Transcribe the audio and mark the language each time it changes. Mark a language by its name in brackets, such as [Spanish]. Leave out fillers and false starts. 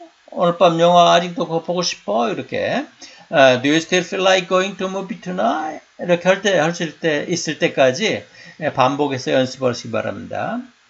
[Korean] 오늘 밤 영화 아직도 보고 싶어? 이렇게. [English] Do you still feel like going to a movie tonight? [Korean] 이렇게 있을 때까지 반복해서 연습하시기 바랍니다.